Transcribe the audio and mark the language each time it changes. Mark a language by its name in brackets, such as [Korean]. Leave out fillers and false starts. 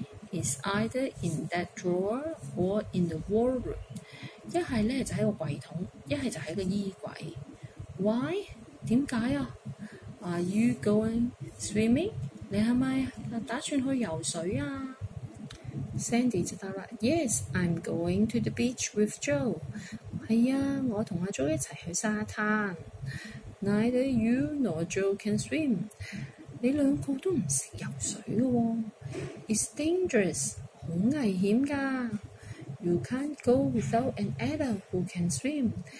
[English] It's either in that drawer or in the wardrobe。 [Cantonese] 一係咧就喺個櫃桶，一係就喺個衣櫃。 [English] Why？ [Cantonese] 點解啊 [English] ？Are you going swimming？ [Cantonese] 你係咪打算去游水啊 ？Sandy 就答啦 ： [English] Yes， I'm going to the beach with Joe。 [Cantonese] 係啊，我同阿 Joe 一齊去沙灘。 [English] Neither you nor Joe can swim。 [Cantonese] 你兩個都唔識游水嘅喎。 [English] It's dangerous， [Cantonese] 好危險㗎。 [English] You can't go without an adult who can swim。